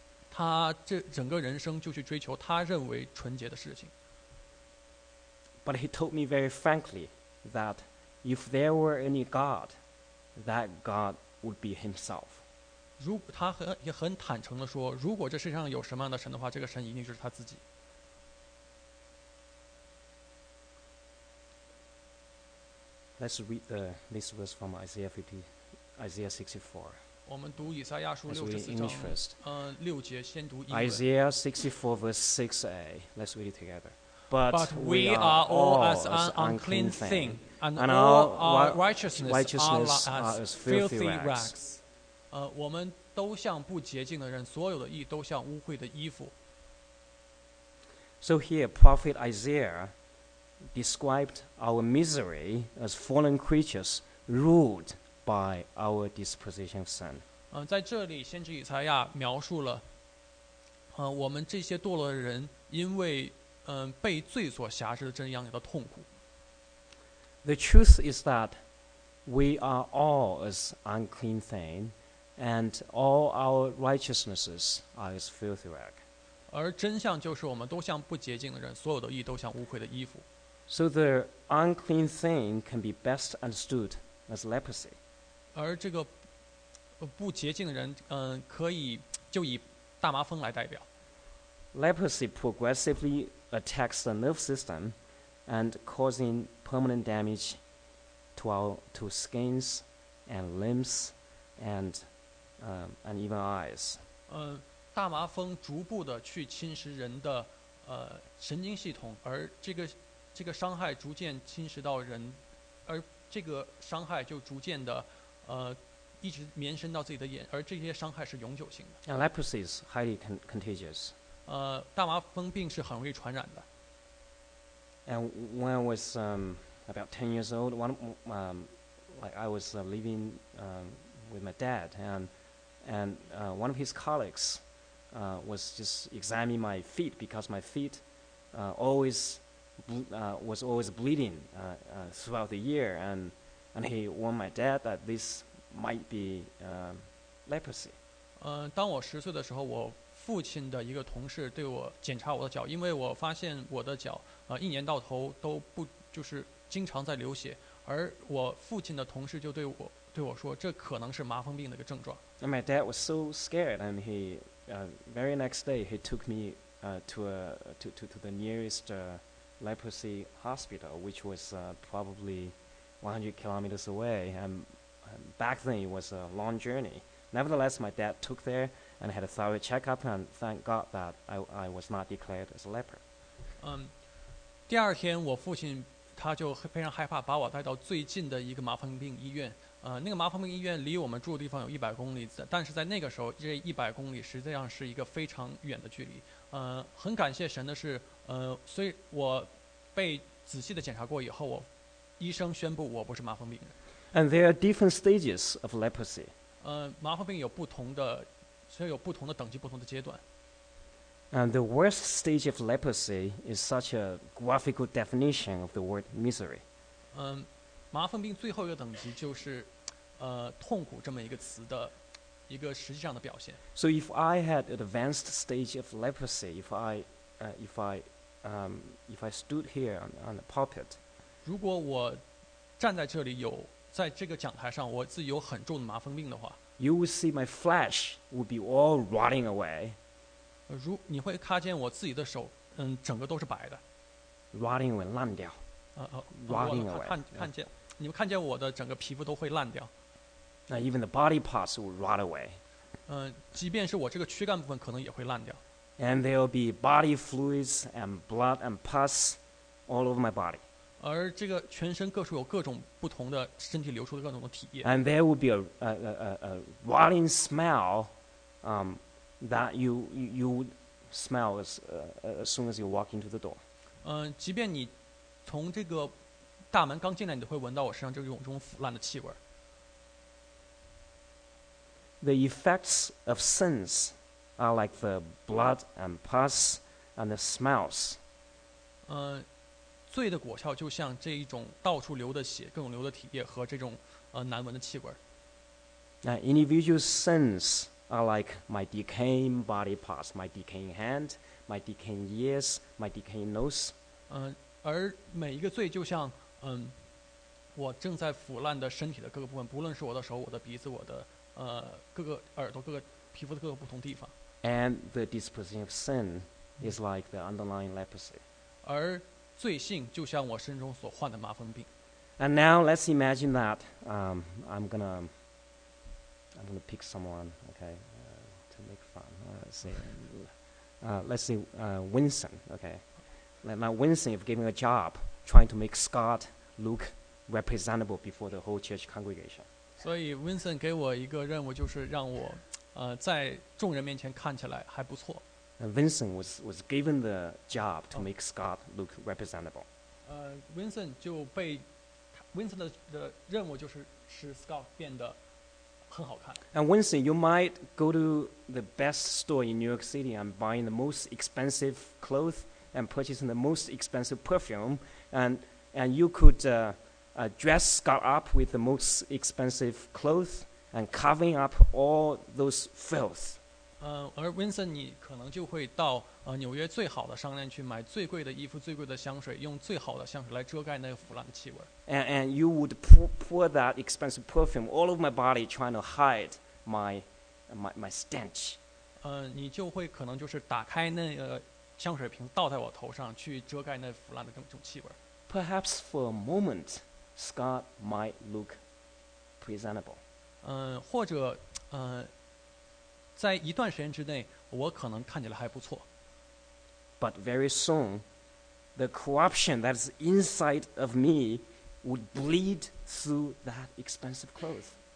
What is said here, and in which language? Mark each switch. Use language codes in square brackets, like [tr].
[zh] 他这整个人生就去追求他认为纯洁的事情。 [en] But he told me very frankly that if there were any God, that God would be himself. [zh] 他也很坦诚地说，如果这世上有什么样的神的话，这个神一定就是他自己。 [en] Let's read this verse from Isaiah 64. [zh] 我们读以赛亚书六十四章，六节先读英文。 [en] Isaiah 64 verse 6a. Let's read it together. But we are all as an unclean thing, and all our righteousness are as filthy rags. [zh] 我们都像不洁净的人，所有的义都像污秽的衣服。 [en] So here, Prophet Isaiah described our misery as fallen creatures ruled by our disposition of sin. [zh] 在这里，先知以赛亚描述了，我们这些堕落的人因为被罪所辖制的这样的痛苦。 [en] The truth is that we are all as unclean thing, and all our righteousnesses are as filthy rag. [zh] 而真相就是，我们都像不洁净的人，所有的义都像污秽的衣服。 [en] So the unclean thing can be best understood as leprosy. [zh] 而这个不洁净的人，可以就以大麻风来代表。 [en] Leprosy progressively attacks the nerve system and causing permanent damage to skins and limbs and even eyes. [zh] 大麻风逐步的去侵蚀人的神经系统，而这个伤害逐渐侵蚀到人，而这个伤害就逐渐的一直延伸到自己的眼，而这些伤害是永久性的。 [en] And leprosy is highly contagious. [zh] 大麻风病是很容易传染的。 [en] And when I was about 10 years old, I was living with my dad, and one of his colleagues was just examining my feet because my feet was always bleeding throughout the year, and he warned my dad that this might be leprosy. [zh] 当我十岁的时候，我父亲的一个同事对我检查我的脚，因为我发现我的脚一年到头都不就是经常在流血，而我父亲的同事就对我说，这可能是麻风病的一个症状。 [en] And my dad was so scared, and he very next day he took me to the nearest leprosy hospital, which was probably 100 kilometers away, and back then it was a long journey, Nevertheless, my dad took there and had a thorough checkup, and thank God that I was not declared as a leper. [zh] 第二天我父亲他就非常害怕把我带到最近的一个麻风病医院。那个麻风病医院离我们住的地方有100公里，但是在那个时候这100公里实际上是一个非常远的距离。很感谢神的是，所以我被仔细的检查过以后，我医生宣布我不是麻风病人。 [en] And there are different stages of leprosy. [zh] 麻风病有不同的，所以有不同的等级，不同的阶段。 [en] And the worst stage of leprosy is such a graphical definition of the word misery. [zh] 麻风病最后一个等级就是，痛苦这么一个词的一个实际上的表现。 [en] So if I had an advanced stage of leprosy, if I stood here on the pulpit, [zh] 如果我站在这里有在这个讲台上，我自己有很重的麻风病的话 [en] ，You would see my flesh would be all rotting away. [zh] 如你会看见我自己的手，整个都是白的 [en] ，rotting away [zh] 烂掉。 [en] Rotting away. [zh] 看见 [en] yeah. [zh] 你们看见我的整个皮肤都会烂掉。 [en] Now even the body parts will rot away. [zh] 即便是我这个躯干部分可能也会烂掉。 [en] And there will be body fluids and blood and pus all over my body. [zh] 而这个全身各处有各种不同的身体流出的各种的体液。 [en] And there will be a rotting smell, that you would smell as soon as you walk into the door. [zh] 即便你从这个大门刚进来，你都会闻到我身上这种腐烂的气味。 [en] The effects of sins are like the blood and pus and the smells. [zh] 罪的果效就像这一种到处流的血、各种流的体液和这种难闻的气味。 [en] Individual sins are like my decaying body parts, my decaying hand, my decaying ears, my decaying nose. [zh] 而每一个罪就像我正在腐烂的身体的各个部分，不论是我的手、我的鼻子、我的各个耳朵、各个皮肤的各个不同地方。 [en] And the disposition of sin is like the underlying leprosy. [zh] 而罪性就像我身中所患的麻风病。 [en] And now let's imagine that I'm gonna pick someone, okay, to make fun. Let's say Winston, okay. Now, Winston is giving a job trying to make Scott look representable before the whole church congregation. So, Winston gave me a job, which is to make me look good in front of the people. And Winston was given the job to make Scott look representable. Winston's job is to make Scott look good. And Winston, you might go to the best store in New York City and buy the most expensive clothes. And purchasing the most expensive perfume, and you could dress Scott up with the most expensive clothes and covering up all those filth. [zh] 而 Winston, 你可能就会到纽约最好的商店去买最贵的衣服、最贵的香水，用最好的香水来遮盖那个腐烂的气味。 [en] And you would pour that expensive perfume all over my body, trying to hide my stench. [zh] 你就会可能就是打开那个。香水瓶倒在我头上，去遮盖那腐烂的这种气味。 [en] Perhaps for a moment, Scott might look presentable. [zh] 或者，在一段时间之内，我可能看起来还不错。 [en] But very soon, the corruption that is inside of me would bleed through that expensive clothes.